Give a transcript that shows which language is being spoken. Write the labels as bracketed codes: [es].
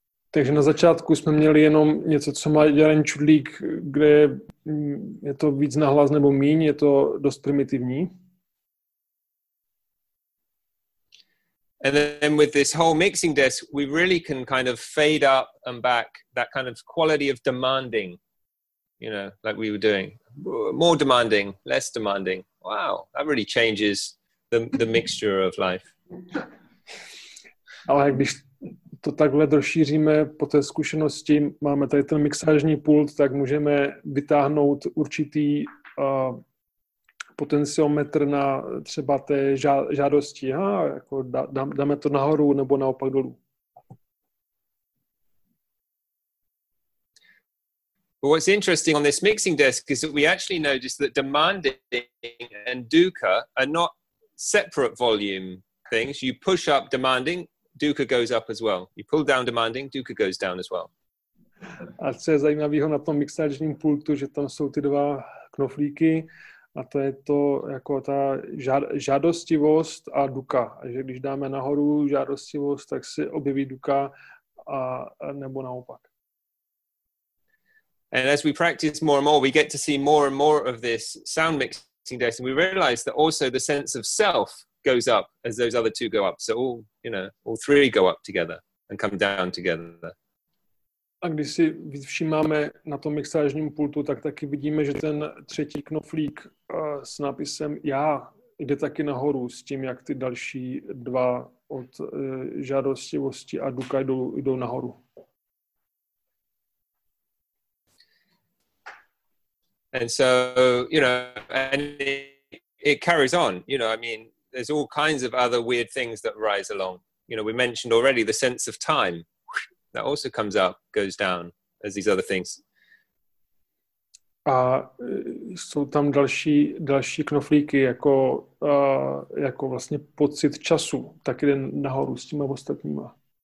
[cs] Takže na začátku jsme měli jenom něco, co má jeden čudlík, kde je to víc nahlas nebo míň, je to dost primitivní. [en] And then with this whole mixing desk, we really can kind of fade up and back that kind of quality of demanding, you know, like we were doing. More demanding, less demanding. Wow, that really changes the mixture of life. [cs] Ale když to takhle rozšíříme po té zkušenosti, máme tady ten mixážní pult, tak můžeme vytáhnout určitý potenciometr na třeba té žádosti. Aha, jako dáme to nahoru nebo naopak dolů. [en] But what's interesting on this mixing desk is that we actually notice that demanding and dukkha are not separate volume things. You push up demanding, dukkha goes up as well. You pull down demanding, dukkha goes down as well. [cs] A co je zajímavého na tom mixážním pultu, že tam jsou ty dva knoflíky, a to je to jako ta žádostivost a duka. A že když dáme nahoru žádostivost, tak se objeví duka a nebo naopak. [en] And as we practice more and more, we get to see more and more of this sound mixing desk, and we realize that also the sense of self goes up as those other two go up. So all, you know, all three go up together and come down together. [cs] A když si všímáme na tom mixážním pultu, tak taky vidíme, že ten třetí knoflík s nápisem já jde taky nahoru s tím, jak ty další dva od žádostivosti a duka jdou nahoru. [en] And so, you know, and it carries on, you know, I mean, there's all kinds of other weird things that rise along. You know, we mentioned already the sense of time. That also comes up, goes down, as these other things. [cs] A jsou tam další knoflíky, jako vlastně pocit času, tak jde nahoru s těma ostatníma.